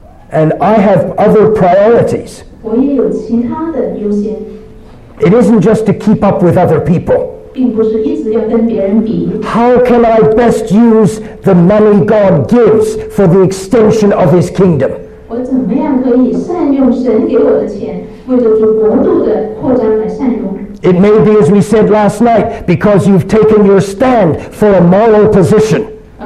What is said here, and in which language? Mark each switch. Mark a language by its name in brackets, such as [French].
[English] And I have other priorities. It isn't just to keep up with other people. How can I best use the money God gives for the extension of His kingdom? [Chinese] 我怎么样可以善用神给我的钱，为着主国度的扩张来善用？ [English] It may be, as we said last night, because you've taken your stand for a moral position.